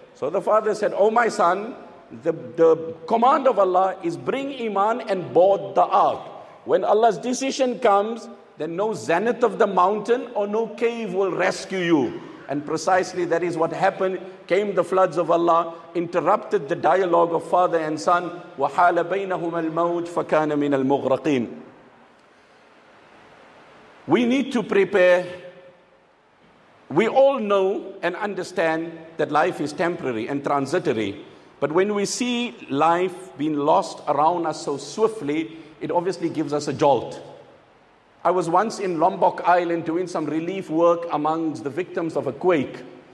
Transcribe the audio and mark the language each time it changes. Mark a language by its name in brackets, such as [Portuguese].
[English] So the father said, oh my son, the command of Allah is bring iman and board the ark. When Allah's decision comes, then no zenith of the mountain or no cave will rescue you. And precisely that is what happened. Came the floods of Allah, interrupted the dialogue of father and son. [Arabic] وَحَالَ بَيْنَهُمَ الْمَوْجِ فَكَانَ مِنَ الْمُغْرَقِينَ. [English] We need to prepare. We all know and understand that life is temporary and transitory. But when we see life being lost around us so swiftly, it obviously gives us a jolt. I was once in Lombok Island doing some relief work amongst the victims of a quake.